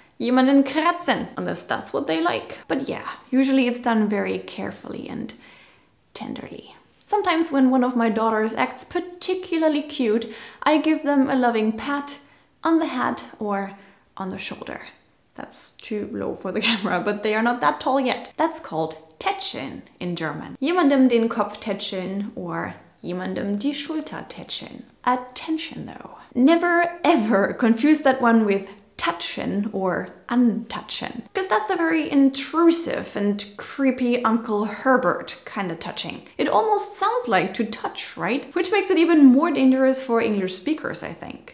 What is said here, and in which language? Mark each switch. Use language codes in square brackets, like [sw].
[de] Jemanden kratzen, [en] unless that's what they like. But yeah, usually it's done very carefully and tenderly. Sometimes when one of my daughters acts particularly cute, I give them a loving pat on the head or on the shoulder. That's too low for the camera, but they are not that tall yet. That's called tätscheln in German. [de] Jemandem den Kopf tätscheln or jemandem die Schulter tätscheln. [en] Attention though. Never ever confuse that one with touchen or untouchen, because that's a very intrusive and creepy Uncle Herbert kind of touching. It almost sounds like to touch, right? Which makes it even more dangerous for English speakers, I think.